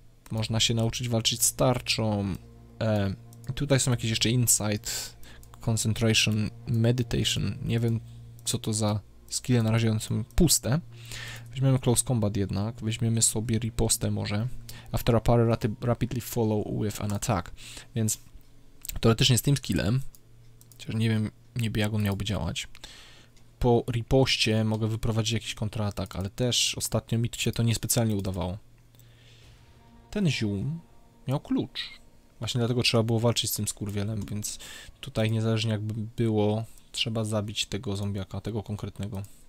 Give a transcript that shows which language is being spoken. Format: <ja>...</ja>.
<pl>Można się nauczyć walczyć z tarczą. Tutaj są jakieś jeszcze</pl> <en>insight, concentration, meditation.</en> <pl>Nie wiem, co to za skille, na razie są puste. Weźmiemy close combat jednak, weźmiemy sobie ripostę może.</pl> <en>After a parry rapidly follow with an attack.</en> <pl>Więc teoretycznie z tym skillem, chociaż nie wiem niby jak on miałby działać, po ripoście mogę wyprowadzić jakiś kontratak, ale też ostatnio mi się to niespecjalnie udawało. Ten ziom miał klucz. Właśnie dlatego trzeba było walczyć z tym skurwielem, więc tutaj niezależnie jakby było, trzeba zabić tego zombiaka, tego konkretnego.</pl>